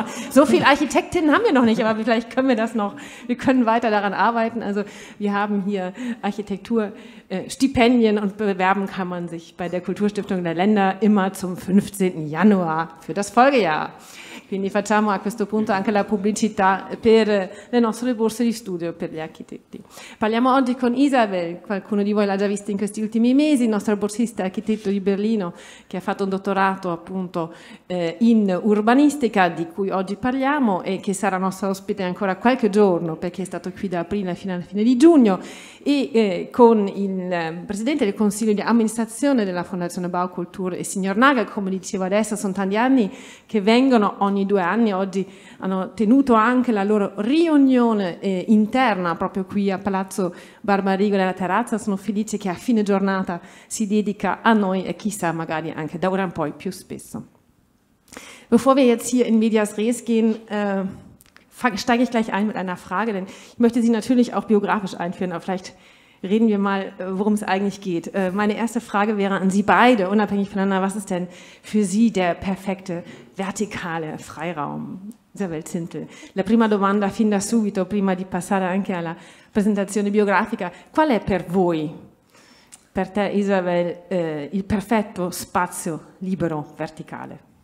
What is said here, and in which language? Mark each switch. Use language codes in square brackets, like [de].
[de] So viel Architektinnen haben wir noch nicht, aber vielleicht können wir das noch, wir können weiter daran arbeiten. Also wir haben hier Architekturstipendien, und bewerben kann man sich bei der Kulturstiftung der Länder immer zum 15. Januar für das Folgejahr. [it] Quindi facciamo a questo punto anche la pubblicità per le nostre borse di studio per gli architetti. Parliamo oggi con Isabel, qualcuno di voi l'ha già vista in questi ultimi mesi, il nostro borsista architetto di Berlino, che ha fatto un dottorato appunto in urbanistica, di cui oggi parliamo, e che sarà nostro ospite ancora qualche giorno, perché è stato qui da aprile fino alla fine di giugno, e con il presidente del consiglio di amministrazione della Fondazione Baukultur e signor Naga, come dicevo adesso, sono tanti anni che vengono ogni 2 anni, oggi hanno tenuto anche la loro riunione interna proprio qui a Palazzo Barbarigo nella terrazza. Sono felice che a fine giornata si dedica a noi, e chissà, magari anche da ora in poi più spesso. [de] Bevor wir jetzt hier in medias res gehen, steige ich gleich ein mit einer Frage, denn ich möchte Sie natürlich auch biografisch einführen, aber vielleicht reden wir mal, worum es eigentlich geht. Meine erste Frage wäre an Sie beide, unabhängig voneinander: Was ist denn für Sie der perfekte vertikale Freiraum? [it] Isabel Zintel, la prima domanda fin da subito, prima di passare anche alla presentazione biografica. Qual è per voi, per te Isabel, il perfetto spazio libero verticale?